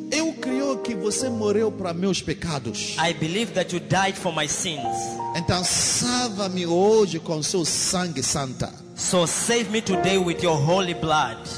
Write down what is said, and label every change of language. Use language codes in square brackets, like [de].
[pt] Eu creio que você morreu para meus pecados. [en] I believe that you died for my sins. [pt] Então salva-me hoje com seu sangue santo. [en] So save me today with your holy blood.